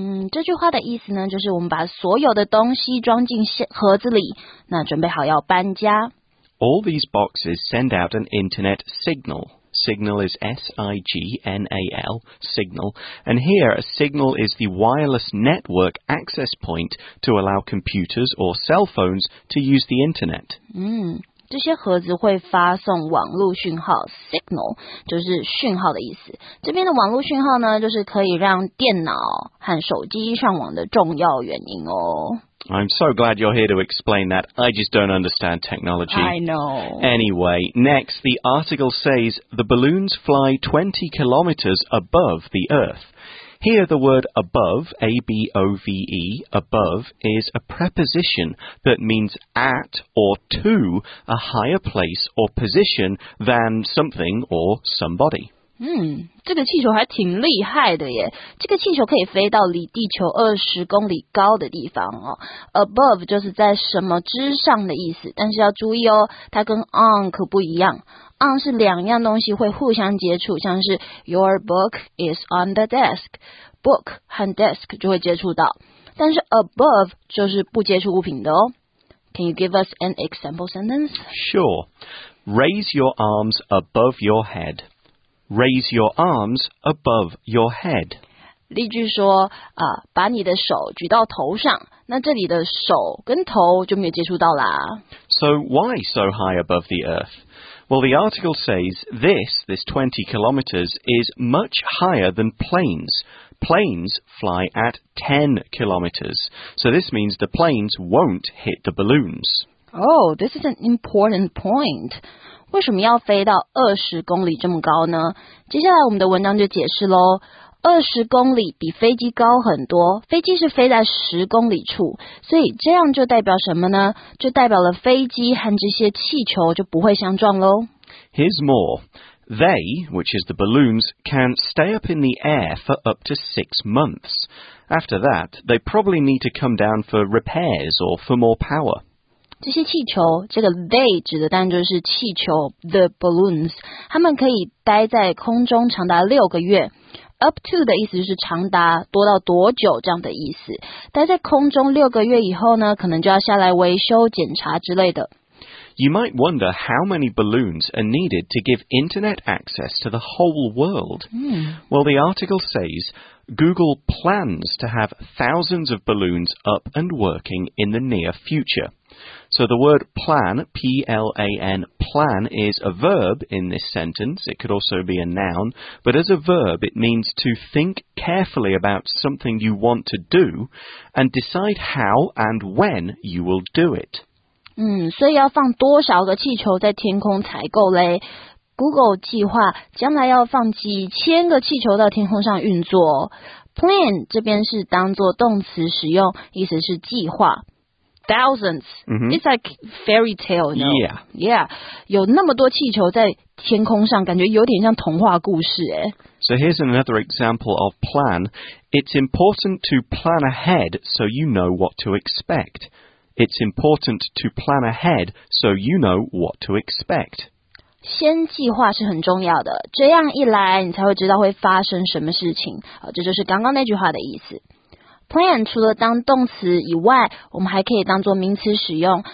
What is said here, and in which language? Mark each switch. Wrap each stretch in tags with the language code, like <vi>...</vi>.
<zh>这句话的意思呢，就是我们把所有的东西装进盒子里，那准备好要搬家。</zh> <en>All these boxes send out an internet signal. Signal is S-I-G-N-A-L, signal. And here, a signal is the wireless network access point to allow computers or cell phones to use the internet.</en> <zh>这些盒子会发送网路讯号 signal 就是讯号的意思。这边的网路讯号呢，就是可以让电脑和手机上网的重要原因哦。</zh> <en>I'm so glad you're here to explain that. I just don't understand technology. I know. Anyway, next, the article says the balloons fly 20 kilometers above the Earth. Here, the word above, A-B-O-V-E, above, is a preposition that means at or to a higher place or position than something or somebody.</en> <zh>这个气球还挺厉害的耶，这个气球可以飞到离地球20公里高的地方哦。 Above 就是在什么之上的意思，但是要注意哦，它跟 on 可不一样。 On 是两样东西会互相接触，像是</zh> <en>your book is on the desk,</en> <zh>book 和 desk 就会接触到，但是 above 就是不接触物品的哦。</zh> <en>Can you give us an example sentence? Sure. Raise your arms above your head.Raise your arms above your head.</en> <zh>例句说、把你的手举到头上，那这里的手跟头就没有接触到啦。</zh> <en>So why so high above the earth? Well, the article says this 20 kilometers is much higher than planes. Planes fly at 10 kilometers. So this means the planes won't hit the balloons. Oh, this is an important point.</en> <zh>为什么要飞到20公里这么高呢？接下来我们的文章就解释咯。 20公里比飞机高很多，飞机是飞在10公里处，所以这样就代表什么呢？就代表了飞机和这些气球就不会相撞咯。</zh> <en>Here's more. They, which is the balloons, can stay up in the air for up to 6 months. After that, they probably need to come down for repairs or for more power.</en> <zh>这些气球，这个 they 指的当然就是气球 the balloons， 它们可以待在空中长达6个月。 Up to 的意思就是长达多到多久这样的意思。待在空中6个月以后呢，可能就要下来维修、检查之类的。</zh> <en>You might wonder how many balloons are needed to give internet access to the whole world.、 Mm. Well, the article says Google plans to have thousands of balloons up and working in the near future. So the word plan, P-L-A-N, plan is a verb in this sentence. It could also be a noun. But as a verb, it means to think carefully about something you want to do and decide how and when you will do it.</en> <zh>所以要放多少个气球在天空才够勒？ Google 计划将来要放几千个气球到天空上运作。 Plan 这边是当作动词使用，意思是计划。</zh> <en>Thousands.、 Mm-hmm. It's like fairy tale, you know? Yeah. Yeah.</en> <zh>有那么多气球在天空上，感觉有点像童话故事耶。</zh> <en>So here's another example of plan. It's important to plan ahead so you know what to expect. It's important to plan ahead so you know what to expect.</en> <zh>先计划是很重要的，这样一来你才会知道会发生什么事情。这就是刚刚那句话的意思。Plan 除了当动词以外，我们还可以当作名词使用。</zh>